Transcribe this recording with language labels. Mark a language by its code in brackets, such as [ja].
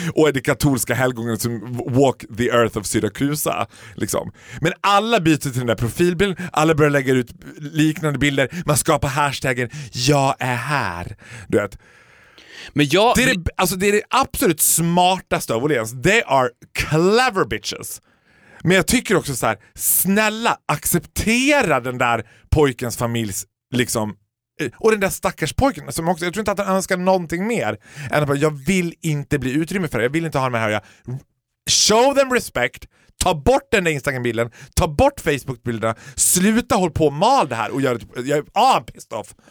[sv] Och är det katolska helgonen som [en] walk the earth of Syracuse. [sv] Liksom. Men alla byter till den där profilbilden. Alla börjar lägga ut liknande bilder. Man skapar hashtaggen jag är här. Du vet. Men jag, det är det absolut smartaste av Åhléns. [en] They are clever bitches. [sv] Men jag tycker också så här, snälla, acceptera den där pojkens familjs, liksom, och den där stackars pojken som också, jag tror inte att han önskar någonting mer än att jag vill inte bli utrymme för det. Jag vill inte ha med här. Jag, [en] show them respect, [sv] ta bort den där Instagram-bilden, ta bort Facebook-bilderna, sluta håll på och mal det här och gör det, [en] I'm pissed off.